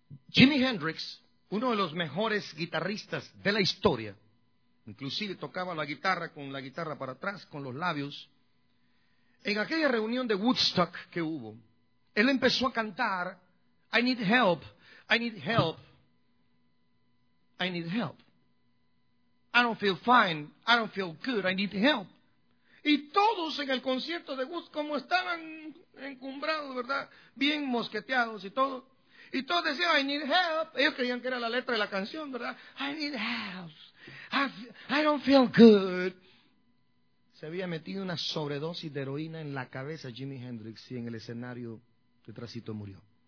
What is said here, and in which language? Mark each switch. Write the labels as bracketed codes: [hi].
[es] Jimi Hendrix, uno de los mejores guitarristas de la historia, inclusive tocaba la guitarra con la guitarra para atrás, con los labios. En aquella reunión de Woodstock que hubo, él empezó a cantar, [en] I need help, I need help, I need help. I don't feel fine, I don't feel good, I need help. [es] Y todos en el concierto de Woodstock, como estaban encumbrados, ¿verdad?, bien mosqueteados y todo, y todos decían, [en] I need help. [es] Ellos creían que era la letra de la canción, ¿verdad? [en] I need help. I don't feel good. [es] Se había metido una sobredosis de heroína en la cabeza Jimi Hendrix y en el escenario de trasito murió.